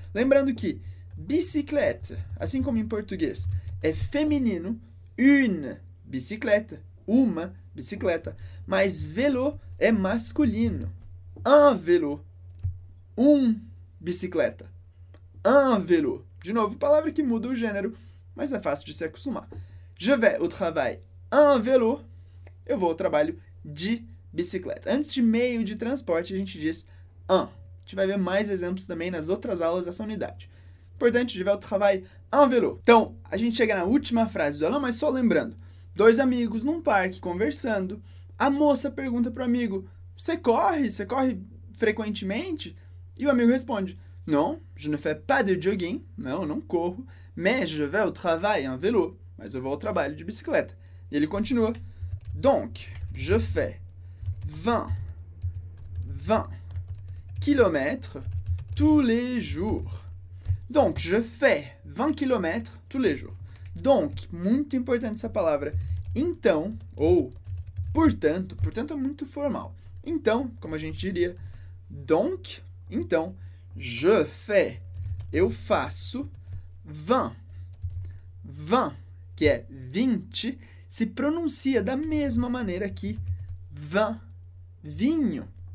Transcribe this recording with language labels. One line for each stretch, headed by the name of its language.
Portuguese: Lembrando que bicyclette, assim como em português, é feminino,
French: une bicyclette,
Portuguese: uma bicicleta. Mas vélo é masculino, un vélo. Um bicicleta.
French: Un vélo.
Portuguese: De novo, palavra que muda o gênero, mas é fácil de se acostumar.
French: Je vais au travail en vélo.
Portuguese: Eu vou ao trabalho de bicicleta. Antes de meio de transporte, a gente diz un. A gente vai ver mais exemplos também nas outras aulas dessa unidade.
French: Importante, je vais au travail en vélo.
Portuguese: Então, a gente chega na última frase do Alain, mas só lembrando. Dois amigos num parque conversando. A moça pergunta pro amigo, você corre? Você corre frequentemente? E o amigo responde,
French: non, je ne fais pas de jogging,
Portuguese: não, não corro,
French: mais je vais au travail en vélo,
Portuguese: mas eu vou ao trabalho de bicicleta. E ele continua,
French: donc, je fais 20 km tous les jours. Donc, je fais 20 km tous les jours.
Portuguese: Donc, muito importante essa palavra, então, ou portanto, portanto é muito formal. Então, como a gente diria, donc, então, je fais, eu faço, 20. 20, que é 20, se pronuncia da mesma maneira que 20, vinho.